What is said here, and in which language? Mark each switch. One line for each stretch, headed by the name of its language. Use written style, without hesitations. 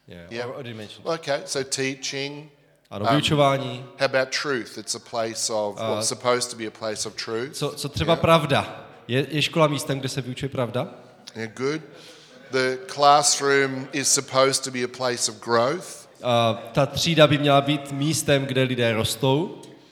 English: Yeah. Or dimension. Okay, so teaching.
Czech: Ano, vyučování.
English: How about truth? It's a place of what's supposed to be a place of truth.
Czech: Co třeba yeah. Pravda? Je škola místem, kde se vyučuje pravda?
English: Yeah, good. The classroom is supposed to be a place of growth.
Czech: Ta třída by měla být místem, kde lidé rostou.